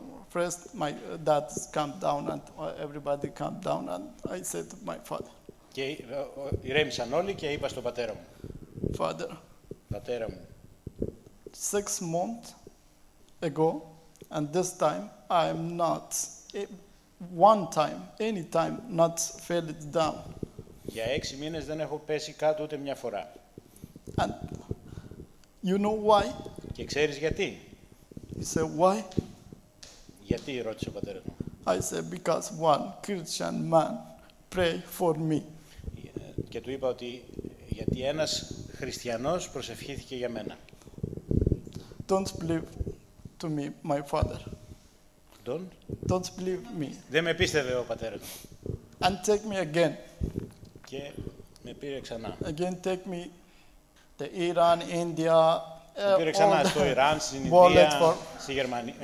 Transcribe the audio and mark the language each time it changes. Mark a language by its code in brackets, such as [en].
[en] First, my dad calmed down and everybody calmed down and I said to my father. [el] Και ηρέμησαν όλοι και είπα στον πατέρα μου. [en] Father. [el] Πατέρα μου. [en] 6 months ago and this time I'm not one time, any time not fell it down. [el] Για 6 μήνες δεν έχω πέσει κάτω ούτε μια φορά. [en] And you know why? [el] Και ξέρεις γιατί? [en] He said why? [el] Γιατί ρώτησε ο πατέρας μου. [en] I said because one Christian man pray for me. [el] Και του είπα ότι γιατί ένας χριστιανός προσευχήθηκε για μένα. [en] Don't believe to me, my father. Don't believe me. [el] Δεν με πίστευε ο πατέρας μου. [en] And take me again. [el] Και με πήρε ξανά. [en] Again take me to Iran, India. [el] Πήρε ξανά στο Ιράν, στην Ινδία, στη Γερμανία.